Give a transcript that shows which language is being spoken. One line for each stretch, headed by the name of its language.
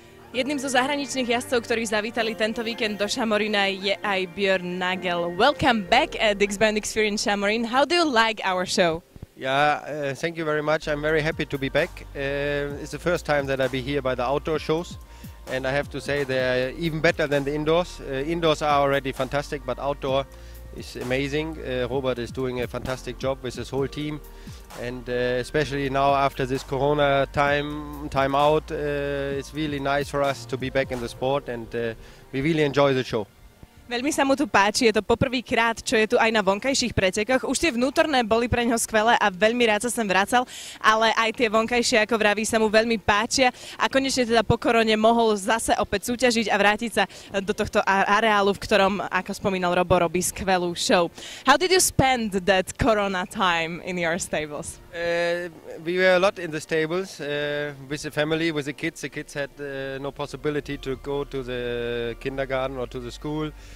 Slovak: Jedným zo zahraničných jazdcov, ktorí zavítali tento víkend do Šamorína, je aj Björn Nagel.
English: Welcome back at XBMX Fear in Šamorín. How do you like our show? Yeah, thank you very much. I'm very happy to be back. It's the first time that I be here by the outdoor shows. And I have to say they are even better than the indoors. Indoors are already fantastic, but outdoor is amazing. Robert is doing a fantastic job with his whole team. And especially now after this corona time out, it's really nice for us to be back in the sport and we really enjoy the show.
Slovak: Veľmi sa mu tu páči, je to poprvýkrát, čo je tu aj na vonkajších pretekoch. Už tie vnútorné boli pre ňoho skvelé a veľmi rád sa sem vracal, ale aj tie vonkajšie, ako vraví, sa mu veľmi páčia. A konečne teda po korone mohol zase opäť súťažiť a vrátiť sa do tohto areálu, v ktorom, ako spomínal Robo, robí skvelú show.
English: How did you spend that corona time in your stables? We were a lot in the stables with the family, with the kids. The kids had no possibility to go to the kindergarten or to the school.